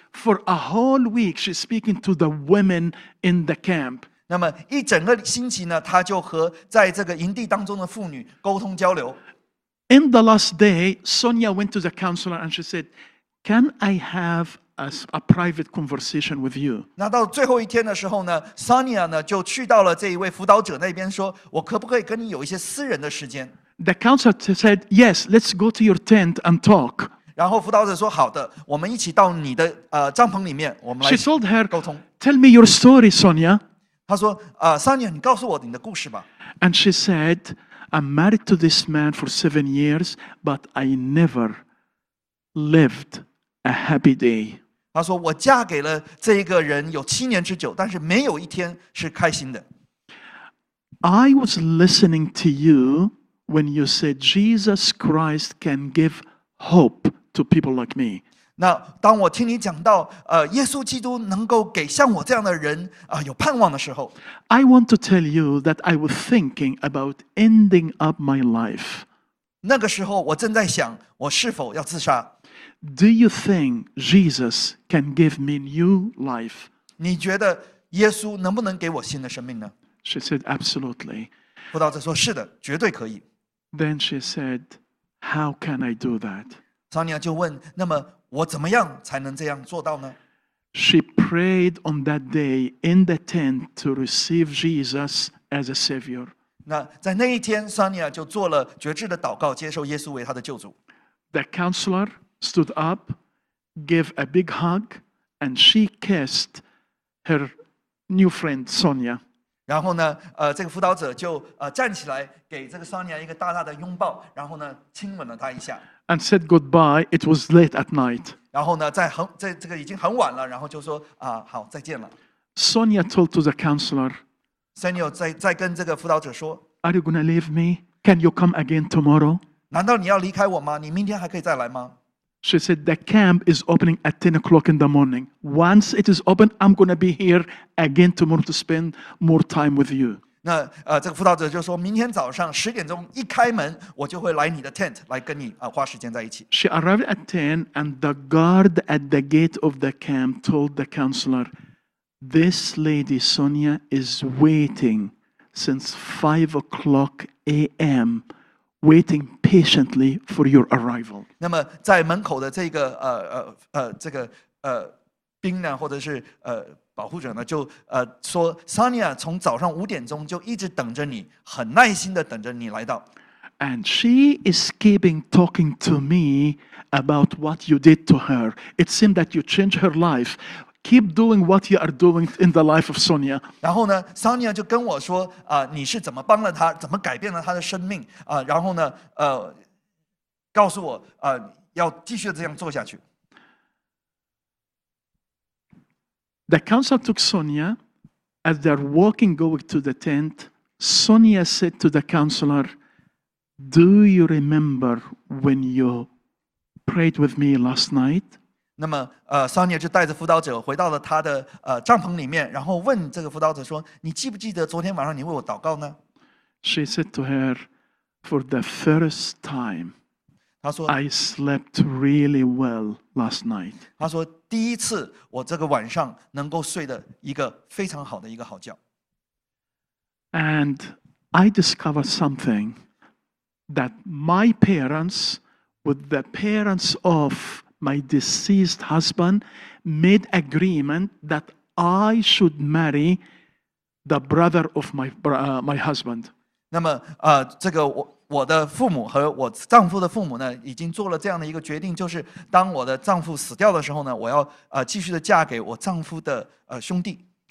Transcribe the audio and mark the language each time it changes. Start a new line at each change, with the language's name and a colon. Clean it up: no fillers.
English: For a whole week, she's speaking to the women in the camp.
Chinese: 那么一整个星期呢，她就和在这个营地当中的妇女沟通交流。
English: In the last day, Sonia went to the counselor and she said, "Can I have a private conversation with you?"
Chinese: 那到最后一天的时候呢 ，Sonia 呢就去到了这一位辅导者那边，说我可不可以跟你有一些私人的时间
English: ？The counselor said, "Yes, let's go to your tent and talk."
Chinese: 然后辅导者说，好的，我们一起到你的帐篷里面，我们来沟通。
English: She told her, "Tell me your story, Sonia."
Chinese: 她说，Sonia， 你告诉我你的故事吧。
English: And she said. I'm married to this man for 7 years, but I never lived a happy day.
Chinese: 他说我嫁给了这个人有七年之久，但是没有一天是开心的。
English: I was listening to you when you said Jesus Christ can give hope to people like me.
Chinese: 那当我听你讲到耶稣基督能够给像我这样的人有盼望的时候
English: I want to tell you that I was thinking about ending up my life.
Chinese: 那个时候我正在想我是否要自杀。
English: Do you think Jesus can give me new life?
Chinese: 你觉得耶稣能不能给我新的生命呢
English: She said, absolutely.
Chinese: 辅导者说是的绝对可以。
English: Then she said, how can I do that?
Chinese: Sonia 就问那么我怎么样才能这样做到呢
English: ？She prayed on that day in the tent to receive Jesus as a savior.
Chinese: 那在那一天 ，Sonia 就做了决志的祷告，接受耶稣为他的救主。
English: The counselor stood up, gave a big hug, and she kissed her new friend Sonia.
Chinese: 然后呢，这个辅导者就站起来，给这个 Sonia 一个大大的拥抱，然后呢，亲吻了她一下。
English: And said goodbye. It was late at night.
Chinese: 然后呢，在这个已经很晚了，然后就说好，再见了。
English: Sonia told to the counselor.
Chinese: Sonia 在跟这个辅导者说
English: ，Are you going to leave me? Can you come again tomorrow?
Chinese: 难道你要离开我吗？你明天还可以再来吗
English: ？She said the camp is opening at 10 o'clock in the morning. Once it is open, I'm going to be here again tomorrow to spend more time with you.
Chinese: 那这个辅导者就说明天早上十点钟一开门我就会来你的 tent 来跟你花时间在一起
English: She arrived at 10 and the guard at the gate of the camp told the counselor This lady Sonia is waiting since 5 o'clock a.m. waiting patiently for your arrival
Chinese: 那么在门口的这个这个兵呢或者是保护者呢就说 Sonia 从早上五点钟就一直等着你很耐心的等着你来到
English: And she is keeping talking to me about what you did to her It seemed that you changed her life Keep doing what you are doing in the life of Sonia
Chinese: 然后呢 Sonia 就跟我说你是怎么帮了她怎么改变了她的生命然后呢告诉我要继续这样做下去
English: The counselor took Sonia. As they're walking, going to the tent, Sonia said to the counselor, "Do you remember when you prayed with me last night?"
Chinese: 那么Sonia 就带着辅导者回到了他的帐篷里面，然后问这个辅导者说，你记不记得昨天晚上你为我祷告呢
English: ？She said to her, "For the first time." I slept really well last night.
Chinese: 他说第一次我这个晚上能够睡的一个非常好的一个好觉。
English: And I discovered something that my parents, with the parents of my deceased husband, made agreement that I should marry the brother of my husband.
Chinese: 那么这个我的父母和我丈夫的父母呢，已经做了这样的一个决定，就是当我的丈夫死掉的时候呢，我要继续的嫁给我丈夫的兄弟。